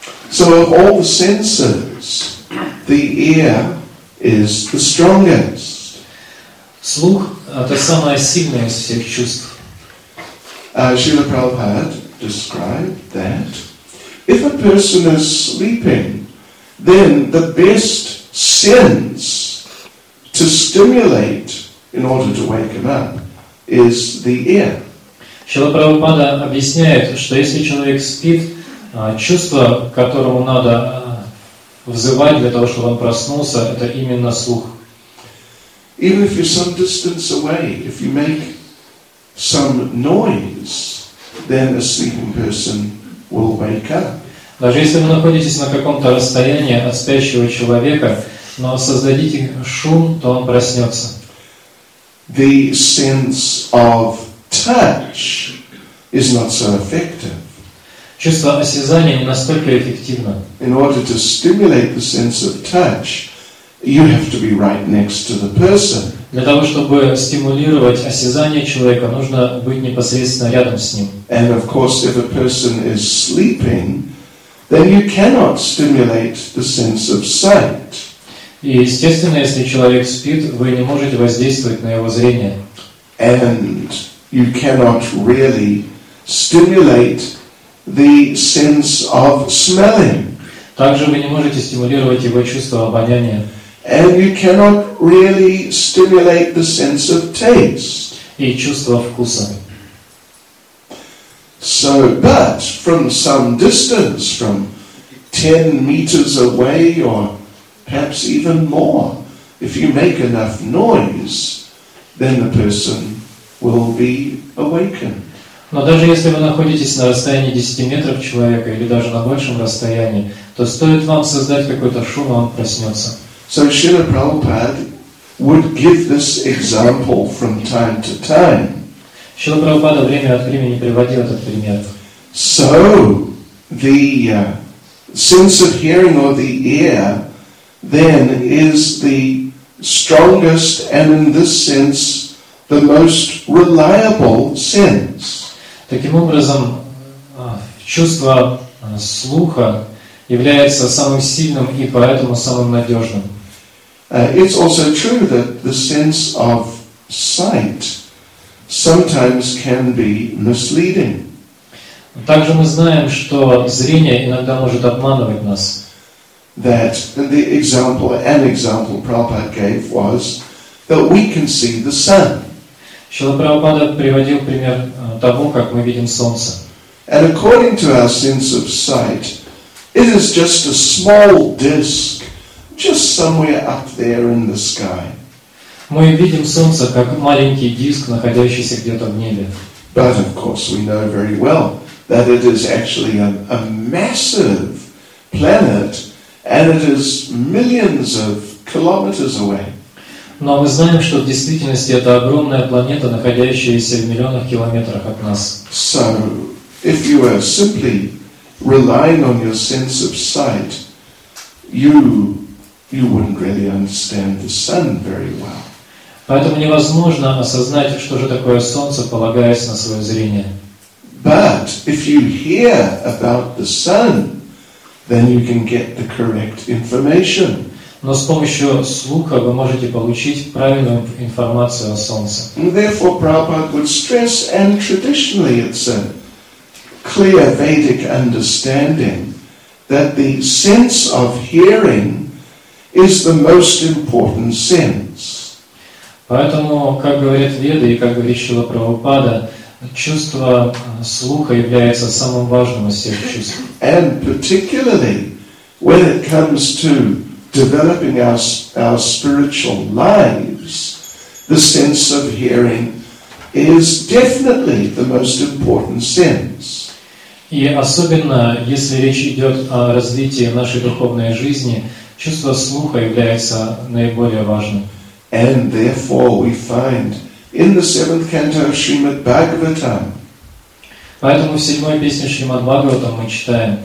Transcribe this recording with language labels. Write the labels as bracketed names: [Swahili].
[English] So of all the senses, the ear is the strongest. [Russian] Слух – это самое сильное из всех чувств. [English] Srila Prabhupada described that if a person is sleeping, then the best sense to stimulate in order to wake him up is the ear. [Russian] Шрила Прабхупада объясняет, что если человек спит, чувство, которому надо взывать для того, чтобы он проснулся, это именно слух. [English] Even if you're some distance away, if you make some noise, then a sleeping person will wake up. [Russian] Даже если вы находитесь на каком-то расстоянии от спящего человека, но создадите шум, то он проснется. [English] The sense of touch is not so effective. [Russian] Чувство осязания не настолько эффективно. [English] In order to stimulate the sense of touch, you have to be right next to the person. [Russian] Для того, чтобы стимулировать осязание человека, нужно быть непосредственно рядом с ним. [English] And of course, if a person is sleeping, then you cannot stimulate the sense of sight. [Russian] И, естественно, если человек спит, вы не можете воздействовать на его зрение. [English] And you cannot really stimulate the sense of smelling. [Russian] Также вы не можете стимулировать его чувство обоняния. [English] And you cannot really stimulate the sense of taste. [Russian] И чувство вкуса. [English] So, but from some distance, from 10 meters away or perhaps even more. If you make enough noise, then the person will be awakened. [Russian] Но даже если вы находитесь на расстоянии 10 метров человека или даже на большем расстоянии, то стоит вам создать какой-то шум, и он проснется. [English] So Srila Prabhupada would give this example from time to time. [Russian] Srila Prabhupada время от времени приводил этот пример. [English] So the sense of hearing or the ear then is the strongest and in this sense the most reliable sense. [Russian] Таким образом, чувство слуха является самым сильным и поэтому самым надежным. [English] It's also true that the sense of sight sometimes can be misleading. [Russian] Также мы знаем, что зрение иногда может обманывать нас. [English] That the example, an example Prabhupada gave was that we can see the sun. [Russian] Шрила Прабхупада приводил пример того, как мы видим солнце. [English] And according to our sense of sight, it is just a small disk, just somewhere up there in the sky. [Russian] Мы видим солнце как маленький диск, находящийся где-то в небе. [English] But of course we know very well that it is actually a massive planet. And it is millions of kilometers away. [Russian] Но мы знаем, что в действительности это огромная планета, находящаяся в миллионах километрах от нас. [English] So, if you are simply relying on your sense of sight, you wouldn't really understand the sun very well. [Russian] Поэтому невозможно осознать, что же такое солнце, полагаясь на свое зрение. [English] But if you hear about the Son, then you can get the correct information. [Russian] Но с помощью слуха вы можете получить правильную информацию о Солнце. [English] Therefore, Prabhupada would stress, and traditionally it's a clear Vedic understanding, that the sense of hearing is the most important sense. [Russian] Поэтому, как говорят Веды и как говорит Шрила Прабхупада, чувство слуха является самым важным из всех чувств. [English] And particularly when it comes to developing our spiritual lives, the sense of hearing is definitely the most important sense. [Russian] И особенно если речь идет о развитии нашей духовной жизни, чувство слуха является наиболее важным. [English] And therefore we find in the seventh canto of Srimad Bhagavatam. [Russian] Поэтому в седьмой песне Шримад Бхагаватам мы читаем.